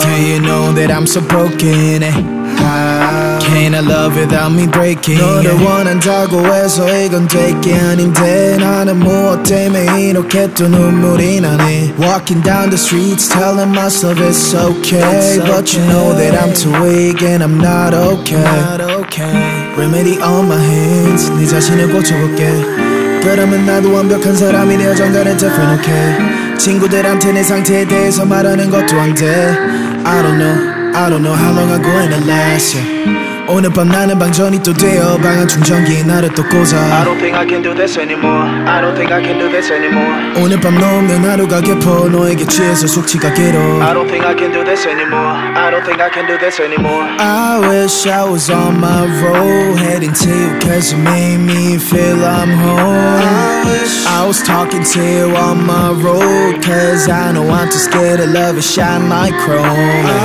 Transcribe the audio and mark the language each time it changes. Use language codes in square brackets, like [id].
[en] do you know that I'm so broken, eh? How can I love without me breaking? [ko] 너를 원한다고 해서 이건 되게 아닌데 나는 무엇 때문에 이렇게 또 눈물이 나네. [en] Walking down the streets telling myself it's okay, it's okay. But you know that I'm too weak and I'm not okay, not okay. Remedy on my hands, [ko] 네 자신을 고쳐볼게. 그러면 나도 완벽한 사람이 되어 정갈을 덮어 놓게. 친구들한테 내 상태에 대해서 말하는 것도 안 돼. [en] I don't know how long I'm gonna last, yeah. [ko] 오늘 밤 나는 방전이 또 되어 방안 충전기에 나를 또 꽂아. [en] I don't think I can do this anymore, I don't think I can do this anymore. [ko] 오늘 밤 넘는 하루가 깊어 너에게 취해서 숙취가 길어. [en] I don't think I can do this anymore, I don't think I can do this anymore. I wish I was on my road heading to you, cause you made me feel I'm home. I was talking to you on my road, cause I know I'm too scared of love and shine like chrome.